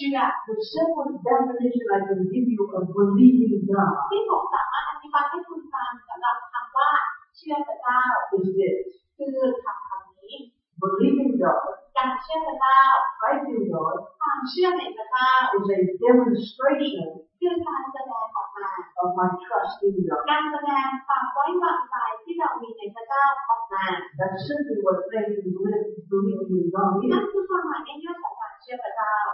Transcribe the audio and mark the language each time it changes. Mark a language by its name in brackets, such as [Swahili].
[English] The simple definition I can give you of believing God. [Thai] ที่ผมสามารถอธิบายให้คุณฟังสำหรับคำว่าเชื่อพระเจ้า [English] is this. [Thai] คือคำนี้ [English] believing God. [Thai] การเชื่อพระเจ้า [English] believing God. [Thai] ความเชื่อในพระเจ้า [English] is a demonstration. [Thai] คือการแสดงออกมา [English] of my trust in God. [Thai] การแสดงความไว้วางใจที่เรามีในพระเจ้าออกมา [English] That's simply what faith and believing in God is. [Thai] นั่นคือความหมายในเรื่องของการเชื่อพระเจ้า